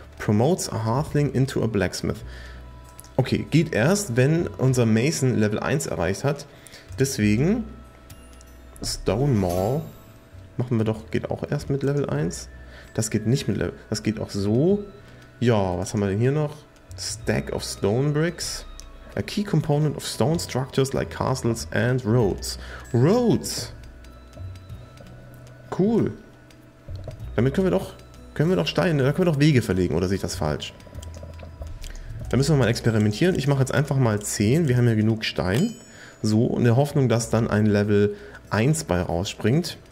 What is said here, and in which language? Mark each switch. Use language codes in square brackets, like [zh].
[en] Promotes a Hearthling into a Blacksmith. [de] Okay, geht erst, wenn unser Mason Level 1 erreicht hat. Deswegen... Stone Mall machen wir doch, geht auch erst mit Level 1. Das geht nicht mit Level, das geht auch so. Ja, was haben wir denn hier noch? Stack of Stone Bricks. [en] A key component of stone structures like castles and roads. Roads! [de] Cool. Damit können wir doch Steine, da können wir doch Wege verlegen, oder sehe ich das falsch? Da müssen wir mal experimentieren. Ich mache jetzt einfach mal 10, wir haben ja genug Stein. So, in der Hoffnung, dass dann ein Level 1 bei rausspringt.